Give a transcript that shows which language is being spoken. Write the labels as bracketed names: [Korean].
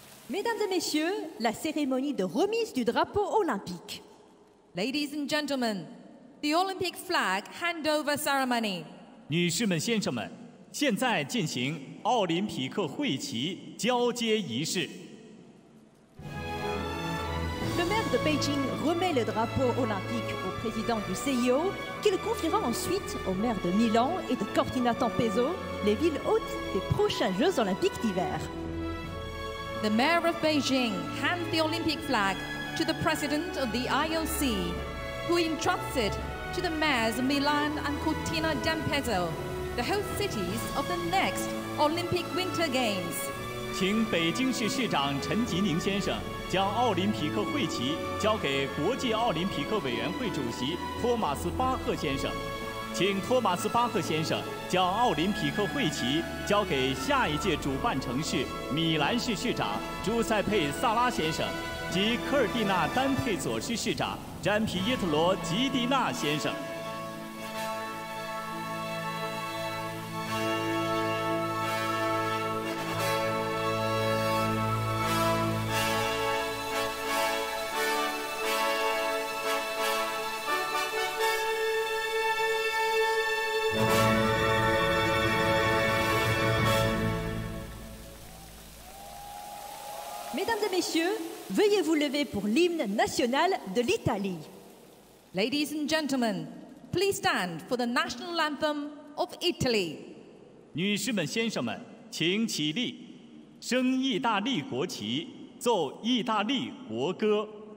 [French] Mesdames et messieurs, la cérémonie de remise du drapeau olympique. [English] Ladies and gentlemen, the Olympic flag handover ceremony. [Chinese] 女士们、先生们，现在进行奥林匹克会旗交接仪式。 [French] Le maire de Beijing remet le drapeau olympique au président du CIO, qu'il confiera ensuite au maire de Milan et de Cortina d'Ampezzo, les villes hôtes des prochains Jeux olympiques d'hiver. [English] The mayor of Beijing hands the Olympic flag to the president of the IOC, who entrusts it to the mayors of Milan and Cortina d'Ampezzo, the host cities of the next Olympic Winter Games. [Chinese] 请北京市市长陈吉宁先生将奥林匹克会旗交给国际奥林匹克委员会主席托马斯·巴赫先生，请托马斯·巴赫先生将奥林匹克会旗交给下一届主办城市米兰市市长朱塞佩·萨拉先生及科尔蒂纳·丹佩佐市市长詹皮耶特罗·吉迪纳先生。 [French] Mesdames et messieurs, veuillez vous lever pour l'hymne national de l'Italie. [English] Ladies and gentlemen, please stand for the national anthem of Italy. [Chinese] 女士们、先生们，请起立，升意大利国旗，奏意大利国歌。